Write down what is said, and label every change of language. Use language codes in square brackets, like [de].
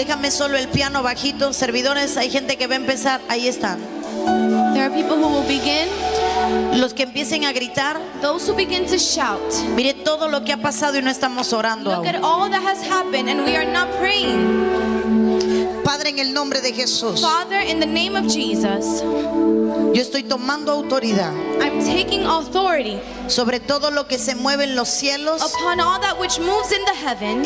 [es] Solo el piano bajito, servidores, hay gente que va a empezar, ahí están. [en] There are people who will begin. [es] Los que empiecen a gritar, [en] those who begin to shout. [es] Mire todo lo que ha pasado y no estamos orando. [en] Look at all that has happened and we are not praying. [es] Padre, en el nombre de Jesús. [en] Father, in the name of Jesus. [es] Yo estoy tomando autoridad. [en] I'm taking authority. [es] Sobre todo lo que se mueve en los cielos, [en] upon all that which moves in the heavens,